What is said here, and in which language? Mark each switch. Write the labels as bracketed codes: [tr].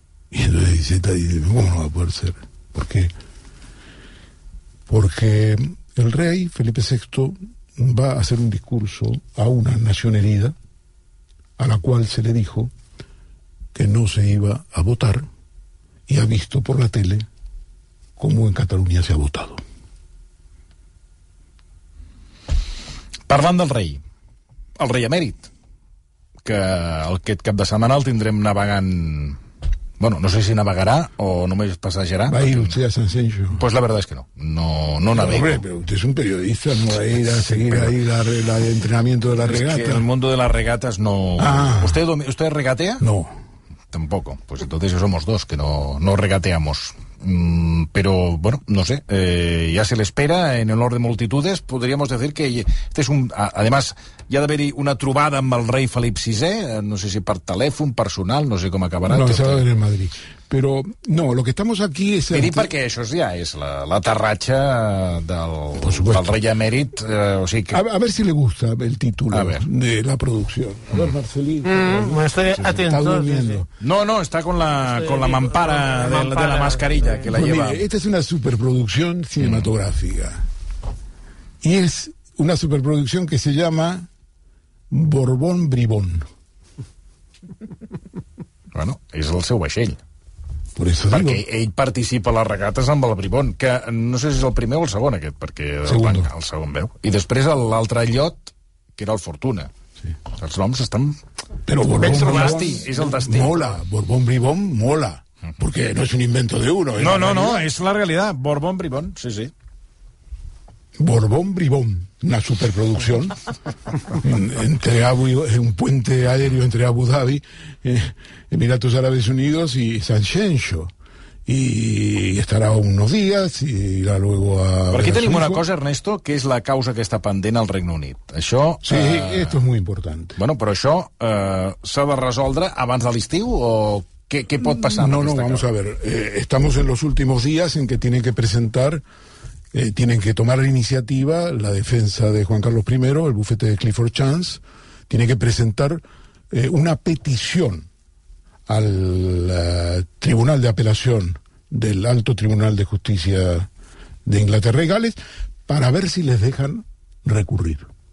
[es] Y entonces dice, ¿cómo no va a poder ser? ¿Por qué? Porque el rey Felipe VI va a hacer un discurso a una nación herida, a la cual se le dijo que no se iba a votar, y ha visto por la tele cómo en Cataluña se ha votado. [ca] Parlant del rei, el rei emèrit, que aquest cap de setmana el tindrem navegant... Bueno, no sé si navegarà o només passejarà. [es] Va ir usted a San Senjo. Pues la verdad es que no, no navego. Hombre, pero usted es un periodista, no va a ir a seguir ahí el entrenamiento de la regata. Es que el mundo de las regatas no... Ah. ¿Usted regatea? No. Tampoco, pues entonces somos dos que no regateamos. Pero bueno, no sé, ya se le espera en el orden de multitudes. Podríamos decir que este es un... Además, ya debería haber una [ca] trubada amb el rey Felip VI, [es] no sé si por teléfono, personal, no sé cómo acabará. No, se va a ver en Madrid. Pero no, lo que estamos aquí es... Y di porque eso ya es la tarracha del rey emérit. O sea que... a ver si le gusta el título de la producción. A ver, Marcelino. Me estoy atento. Sí, sí. No, está con la mampara de la mascarilla que la lleva. Mire, esta es una superproducción cinematográfica. Y es una superproducción que se llama Borbón Bribón. [ca] Bueno, es el seu vaixell. [es] Por eso [ca] perquè ell participa a les regates amb el Bribón, que no sé si és el primer o el segon aquest, perquè el segon veu. I després l'altre llot, que era el Fortuna. Sí. Els noms estan... Però és el destí. Mola, Borbón Bribón mola, perquè no és [es] un invento de uno. [ca] No, és la realitat, Borbón Bribón, sí, sí. [es] Borbón Bribón, una superproducción un puente aéreo entre Abu Dhabi, Emiratos Árabes Unidos y San Xenxo, y estará unos días y irá luego a... [ca] Per aquí tenim una cosa, Ernesto, que és la causa que està pendent al Regne Unit. Això, [es] sí, esto es muy importante. [ca] Bueno, però això s'ha de resoldre abans de l'estiu o... ¿Qué pot passar? [es] No, vamos a ver, estamos en los últimos días en que tienen que presentar tienen que tomar la iniciativa, la defensa de Juan Carlos I, el bufete de Clifford Chance, tiene que presentar una petición al Tribunal de Apelación del Alto Tribunal de Justicia de Inglaterra y Gales para ver si les dejan recurrir.